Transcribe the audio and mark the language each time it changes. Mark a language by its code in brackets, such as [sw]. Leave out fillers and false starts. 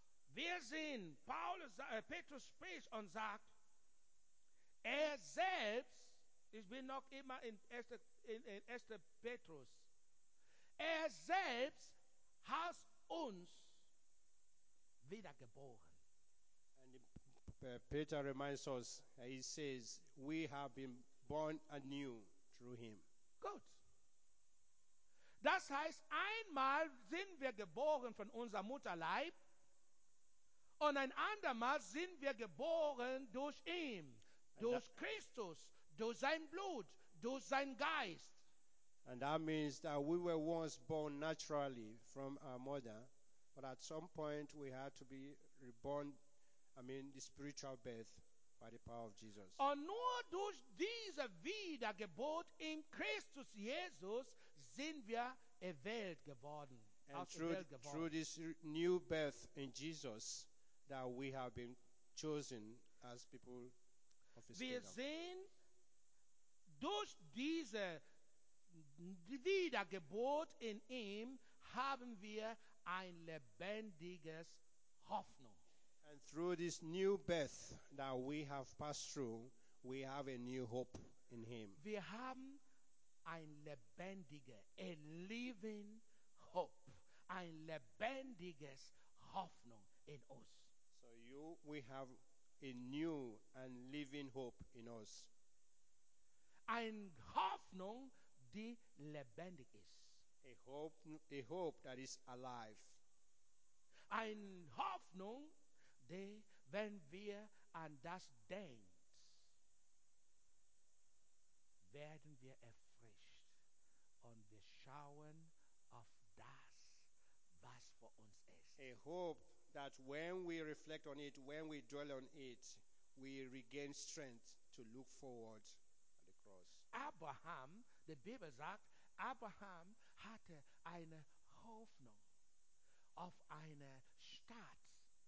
[de] Wir sehen, Petrus spricht und sagt, selbst, ich bin noch immer in Erster Petrus, selbst hat uns wiedergeboren. [en] And Peter reminds us, he says, we have been born anew through him. [de] Gut. Das heißt, einmal sind wir geboren von unserem Mutterleib, und ein andermal sind wir geboren durch ihn, durch Christus, durch sein Blut, durch sein Geist. [en] And that means that we were once born naturally from our mother, but at some point we had to be reborn, the spiritual birth by the power of Jesus. [de] Und nur durch diese Wiedergeburt in Christus Jesus sind wir erwählt geworden. [en] And through this new birth in Jesus, that we have been chosen as people of his [de] wir [en] kingdom. [de] Wir sehen durch diese wiedergeboren in ihm, haben wir ein lebendiges Hoffnung. [en] And through this new birth that we have passed through, we have a new hope in him. [de] Wir haben ein lebendiger, [en] a living hope, [de] ein lebendiges Hoffnung in uns. [en] So we have a new and living hope in us. [de] Ein Hoffnung, die lebendig ist. [en] A hope that is alive. [de] Ein Hoffnung, die, wenn wir an das denken, werden wir erfrischt und wir schauen auf das, was vor uns ist. [en] A hope that when we reflect on it, when we dwell on it, we regain strength to look forward at the cross. [de] Abraham, [en] the Bible [de] sagt, Abraham hatte eine Hoffnung auf eine Stadt.